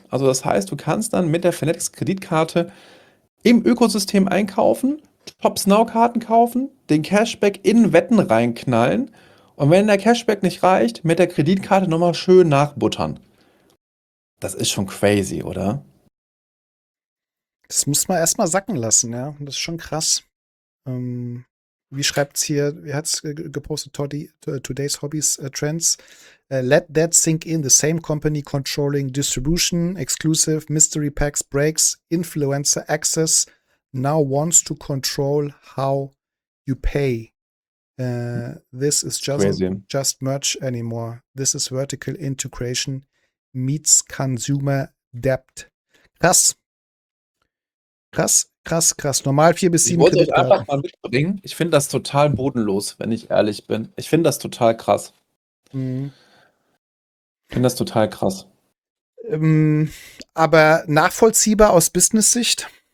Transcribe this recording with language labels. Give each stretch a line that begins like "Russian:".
German: Also das heißt, du kannst dann mit der Fanatics-Kreditkarte im Ökosystem einkaufen, Top-Snow-Karten kaufen, den Cashback in Wetten reinknallen und wenn der Cashback nicht reicht, mit der Kreditkarte nochmal schön nachbuttern. Das ist schon crazy, oder? Das muss man erstmal sacken lassen, ja. Das ist schon krass. Wie schreibt es hier, wie hat es gepostet, Today's Hobbies Trends?
English: Let that sink in, the same company controlling distribution, exclusive, mystery packs, breaks, influencer access, now wants to control how you pay. This is just merch anymore. This is vertical integration meets consumer debt.
German: Krass. Krass, krass, krass. Normal 4-7 Kredit. Ich wollte euch einfach mal mitbringen. Ich finde das total bodenlos, wenn ich ehrlich bin. Ich finde das total krass. Ich finde das total krass. Aber nachvollziehbar aus Business-Sicht?